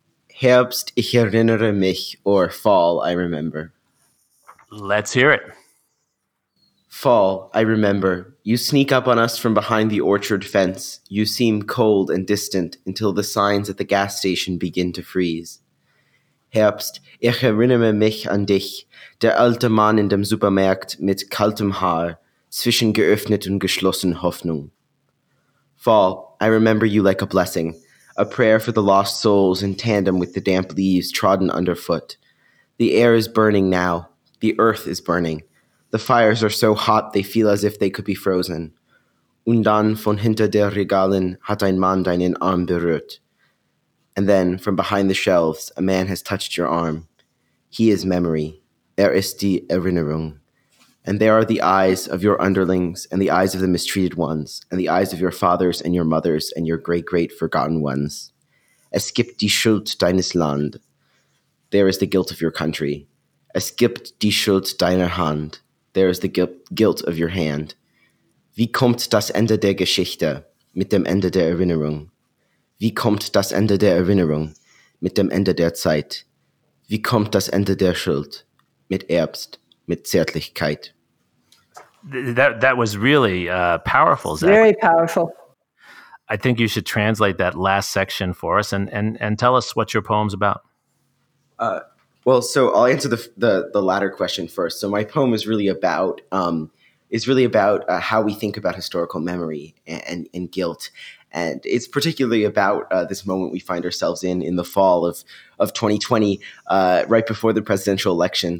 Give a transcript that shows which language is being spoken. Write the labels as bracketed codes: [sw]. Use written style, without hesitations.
[de] Herbst, ich erinnere mich, [en] or Fall, I remember. Let's hear it. Fall, I remember. You sneak up on us from behind the orchard fence. You seem cold and distant until the signs at the gas station begin to freeze. [de] Herbst, ich erinnere mich an dich, der alte Mann in dem Supermarkt mit kaltem Haar, zwischen geöffnet und geschlossen Hoffnung. [en] Fall, I remember you like a blessing, a prayer for the lost souls in tandem with the damp leaves trodden underfoot. The air is burning now. The earth is burning. The fires are so hot they feel as if they could be frozen. [de] Und dann von hinter der Regalen hat ein Mann deinen Arm berührt. [en] And then, from behind the shelves, a man has touched your arm. He is memory. [de] Ist die Erinnerung. [en] And there are the eyes of your underlings and the eyes of the mistreated ones and the eyes of your fathers and your mothers and your great-great forgotten ones. [de] Es gibt die Schuld deines Land. [en] There is the guilt of your country. [de] Es gibt die Schuld deiner Hand. [en] There is the guilt of your hand. [de] Wie kommt das Ende der Geschichte mit dem Ende der Erinnerung? Wie kommt das Ende der Erinnerung mit dem Ende der Zeit? Wie kommt das Ende der Schuld mit Erbst, mit Zärtlichkeit? [en] That was really powerful, Zach. Very powerful. I think you should translate that last section for us and tell us what your poem's about. Well, so I'll answer the latter question first. So my poem is really about how we think about historical memory and guilt, and it's particularly about this moment we find ourselves in the fall of 2020, right before the presidential election.